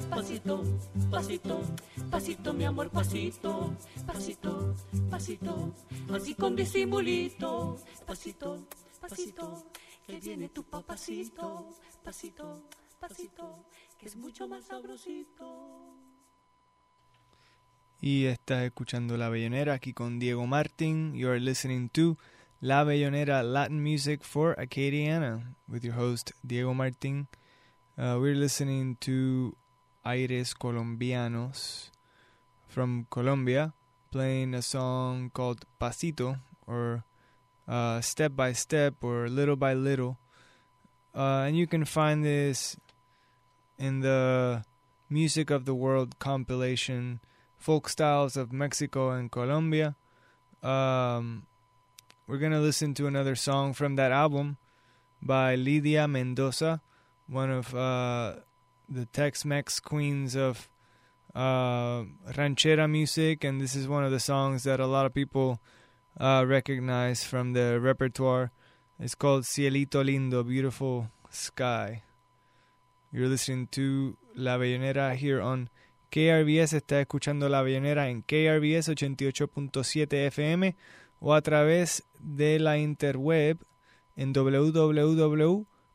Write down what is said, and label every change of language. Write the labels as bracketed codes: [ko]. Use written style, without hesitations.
[es] Pasito, pasito, pasito, mi amor, pasito, pasito, pasito, así con disimulito. Pasito, pasito, que viene tu papacito. Pasito, pasito, que es mucho más sabrosito. Y estás escuchando La Bellonera aquí con Diego Martin. [en] You are listening to La Bellonera Latin Music for Acadiana with your host Diego Martin. We're listening to Aires Colombianos from Colombia playing a song called Pasito, or Step by Step, or Little by Little. And you can find this in the Music of the World compilation, Folk Styles of Mexico and Colombia. We're going to listen to another song from that album by Lidia Mendoza, one of the Tex-Mex queens of ranchera music. And this is one of the songs that a lot of people recognize from the repertoire. It's called Cielito Lindo, Beautiful Sky. You're listening to La Bellonera here on KRBS. [es] Está escuchando La Bellonera en KRBS 88.7 FM o a través de la interweb en www.krvs.org.